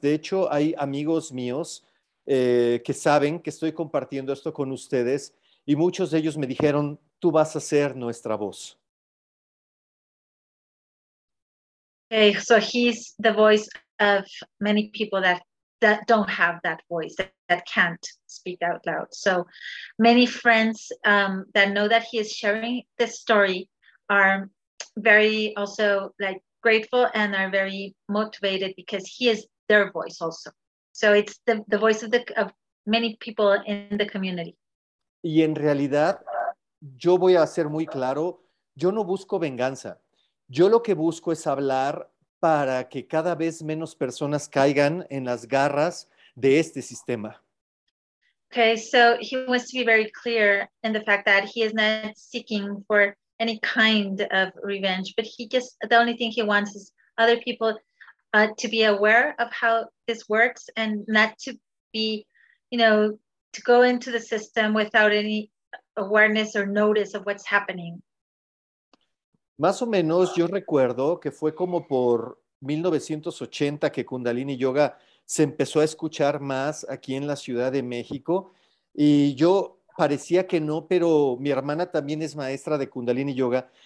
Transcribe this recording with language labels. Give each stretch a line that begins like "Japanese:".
Spanish: De hecho, hay amigos míos que saben que estoy compartiendo esto con ustedes y muchos de ellos me dijeron, tú vas a ser nuestra voz.
English: Okay, so he's the voice of many people that don't have that voice, that can't speak out loud. So many friends that know that he is sharing this story are very also like grateful and are very motivated because he is their voice also. So it's the voice of many people in the community.
Spanish: Y en realidad, yo voy a ser muy claro, yo no busco venganza. Yo lo que busco es hablar para que cada vez menos personas caigan en las garras de este sistema.
English: Okay, so he wants to be very clear in the fact that he is not seeking for any kind of revenge, but he just, the only thing he wants is other people to be aware of how this works and not to be, you know, to go into the system without any awareness or notice of what's happening.
Spanish: Más o menos, yo recuerdo que fue como por 1980 que Kundalini Yoga se empezó a escuchar más aquí en la Ciudad de México. Y yo parecía que no, pero mi hermana también es maestra de Kundalini Yoga.